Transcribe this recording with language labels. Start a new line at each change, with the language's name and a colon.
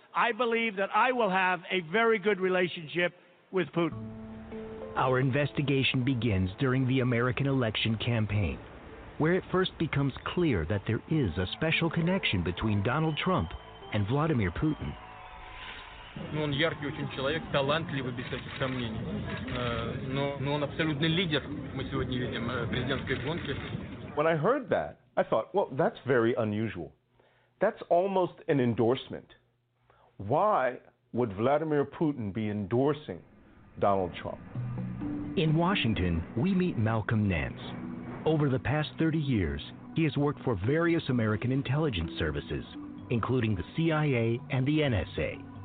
English: I believe that I will have a very good relationship with Putin. Our investigation begins during the American election campaign, where it first becomes clear that there is a special connection between Donald Trump and Vladimir Putin.
Russian: Он яркий очень человек, талантливый, без всяких сомнений. Но он абсолютный лидер. Мы сегодня видим президентской гонки.
English: When I heard that, I thought, well, that's very unusual. That's almost an endorsement. Why would Vladimir Putin be endorsing Donald Trump? In Washington, we meet Malcolm Nance. Over the past 30 years, he has worked for various American intelligence services, including the CIA and the NSA.